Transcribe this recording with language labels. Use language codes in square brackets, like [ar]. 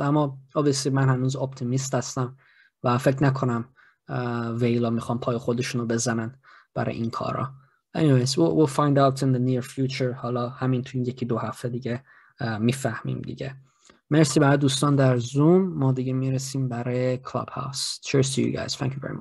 [fa] اما [en] obviously [fa] من هنوز اپتیمیست هستم و فکر نکنم ویلا میخوان پای خودشونو بزنن برای این کارا. [en] Anyways, we'll find out in the near future. [fa] حالا همین توی یکی دو هفته دیگه میفهمیم دیگه. مرسی برای دوستان در زوم. ما دیگه میرسیم برای کلاب هاوس. [en] Cheers to you guys. Thank you very much.